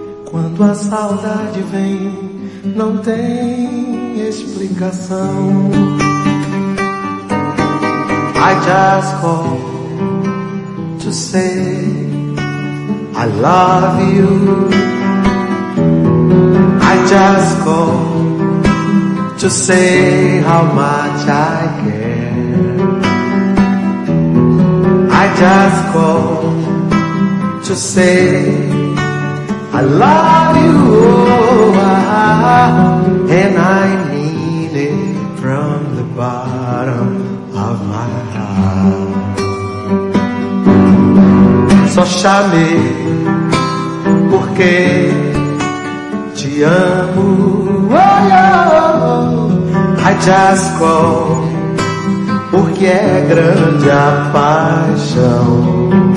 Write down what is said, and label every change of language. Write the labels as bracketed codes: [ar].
[pt] Quando a saudade vem, não tem explicação. [en] I just call to say I love you. I just call to say how much I care. I just call to say I love you, oh, I, and I need it from the bottom of my heart. [pt] Só chamei porque te amo, oh, oh, oh. [en] I just call [pt] porque é grande a paixão.